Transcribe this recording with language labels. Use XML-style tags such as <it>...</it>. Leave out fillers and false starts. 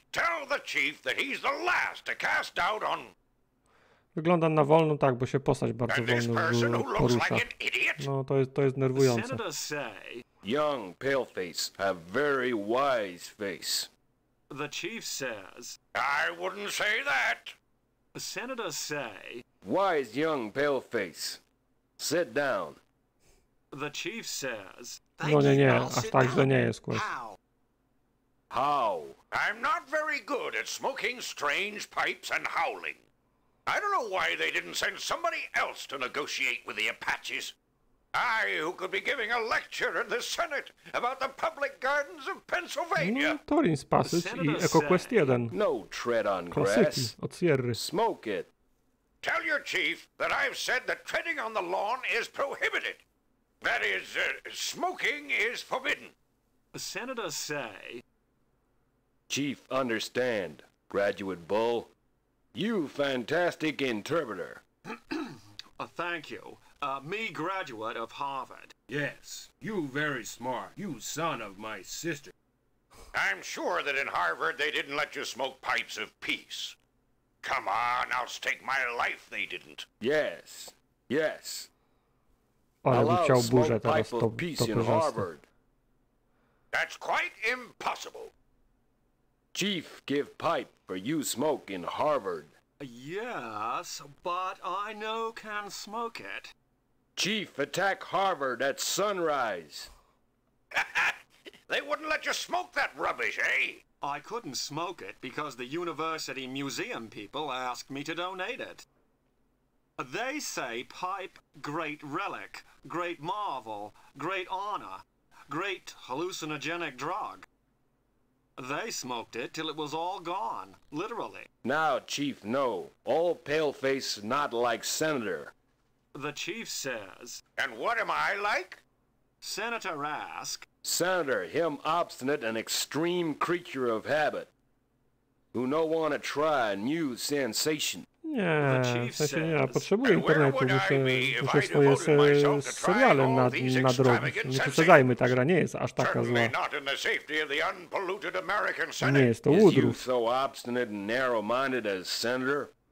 <en>Tell the chief that he's the last to cast doubt on...</en> <pl>Wygląda na wolno, tak, bo się postać bardzo wolno porusza. No, to jest nerwujące.</pl> <en>The senator say... Young pale face have very wise face. The chief says... I wouldn't say that! The senator say... Wise young pale face. Sit down. The chief says...</en> <pl>No nie, nie, aż tak źle nie jest, Quest.</pl> <en>How? I'm not very good at smoking strange pipes and howling. I don't know why they didn't send somebody else to negotiate with the Apaches. I, who could be giving a lecture in the Senate about the public gardens of Pennsylvania.</en> <pl>No, Torin's Passage i EcoQuest 1.</pl> <en>No tread on grass.</en> <pl>Od Sierry.</pl> <en>Smoke it. Tell your chief that I've said that treading on the lawn is prohibited. That is, smoking is forbidden. The senator say... Chief, understand, graduate bull. You fantastic interpreter. thank you. Me graduate of Harvard. Yes, you very smart. You son of my sister. I'm sure that in Harvard they didn't let you smoke pipes of peace. Come on, I'll stake my life they didn't. Yes, yes.</en> <pl>Ale bym chciał burzę teraz, to proszę.</pl> <en>That's quite impossible. Chief, give pipe for you smoke in Harvard. Yes, but I know can smoke it. Chief, attack Harvard at sunrise. They wouldn't let you smoke that rubbish, eh? I couldn't smoke it because the university museum people asked me to donate it. They say pipe, great relic, great marvel, great honor, great hallucinogenic drug. They smoked it till it was all gone, literally. Now, chief, no. All paleface not like senator. The chief says... And what am I like? Senator ask... Senator, him obstinate and extreme creature of habit, who no want to try new sensation.</en> <pl>Nie, w sensie nie, ja potrzebuję internetu, muszę swoje seriale nadrobić. Nie przesadzajmy, ta gra nie jest aż taka zła. Nie jest to udruch.</pl> <en>Is you so obstinate and narrow-minded as senator?</en>